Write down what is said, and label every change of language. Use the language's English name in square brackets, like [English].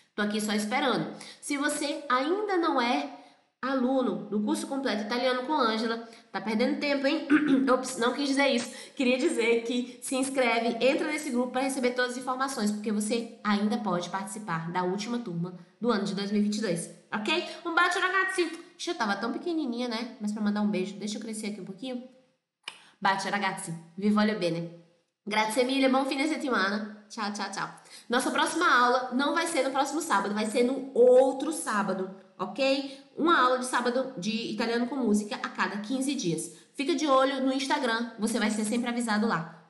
[Portuguese] Tô aqui só esperando. Se você ainda não é aluno do curso completo Italiano com Ângela, tá perdendo tempo, hein? Ops, não quis dizer isso. Queria dizer que se inscreve, entra nesse grupo para receber todas as informações, porque você ainda pode participar da última turma do ano de 2022, ok? Um [Italian] bacio ragazzi! [Portuguese] Ixi, eu tava tão pequenininha, né? Mas para mandar um beijo, deixa eu crescer aqui um pouquinho. [Italian] Bacio ragazzi, vi voglio bene. Grazie mille, buon fine settimana. [Portuguese] Tchau, tchau, tchau. Nossa próxima aula não vai ser no próximo sábado, vai ser no outro sábado. Ok? Uma aula de sábado de italiano com música a cada 15 dias. Fica de olho no Instagram, você vai ser sempre avisado lá.